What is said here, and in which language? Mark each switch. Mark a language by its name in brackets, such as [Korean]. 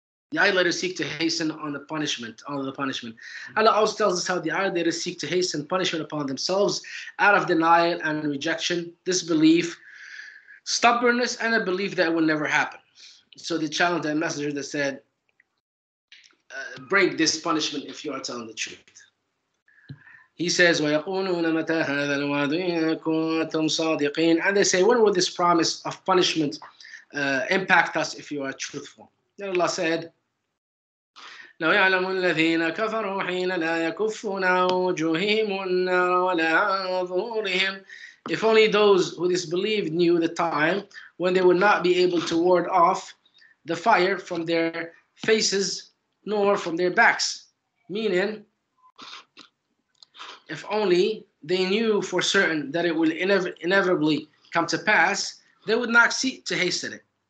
[English] The ayah letters seek to hasten on the punishment. Allah also tells us how the ayah letters seek to hasten punishment upon themselves out of denial and rejection, disbelief, stubbornness, and a belief that it will never happen. So they challenged the messenger that said, "Break this punishment if you are telling the truth." He says, [Arabic] وَيَقُولُونَ مَتَى هَذَا الْوَعْدُ إِن كُنتُمْ صَادِقِينَ. [English] And they say, "When will this promise of punishment impact us if you are truthful?" Then Allah said, [Arabic] لَوْ يَعْلَمُ الَّذِينَ كَفَرُوا حِينَ لَا يَكُفُّونَ عَنْ وُجُوهِهِمُ النَّارَ وَلَا عَنْ ظُهُورِهِمْ [English] If only those who disbelieved knew the time when they would not be able to ward off the fire from their faces nor from their backs. Meaning, if only they knew for certain that it would inevitably come to pass, they would not seek to hasten it.